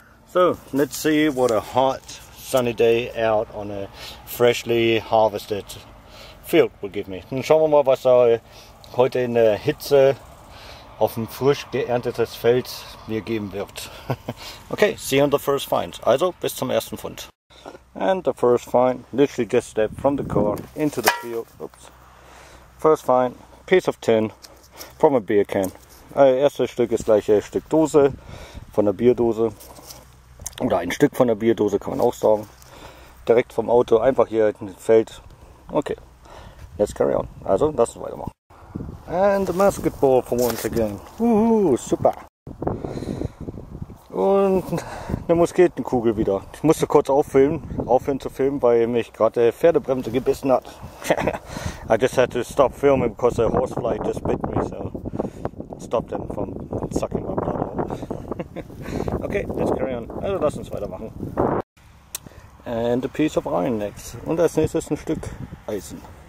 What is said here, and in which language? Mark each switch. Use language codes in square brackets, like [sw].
[en] So, let's see what a hot sunny day out on a freshly harvested field will give me. [de] Und schauen wir mal, was da heute in der Hitze auf dem frisch geerntetes Feld mir geben wird. [en] Okay, see you on the first find. [de] Also, bis zum ersten Fund. [en] And the first find, literally just stepped from the car into the field. Oops. First find, piece of tin from a beer can. [de] Erstes Stück ist gleich ein Stück Dose von der Bierdose. Oder ein Stück von der Bierdose, kann man auch sagen. Direkt vom Auto, einfach hier in das Feld. [en] Okay, let's carry on. [de] Also, lass uns weitermachen. [en] And the basketball for once again. Woohoo, super. [de] Und eine Musketenkugel wieder. Ich musste kurz aufhören zu filmen, weil mich gerade der Pferdebremse gebissen hat. [en] I just had to stop filming because the horsefly just bit me, so stop them from sucking my blood out. Okay, let's carry on. [de] Also lass uns weitermachen. [en] And a piece of iron next. [de] Und als nächstes ein Stück Eisen.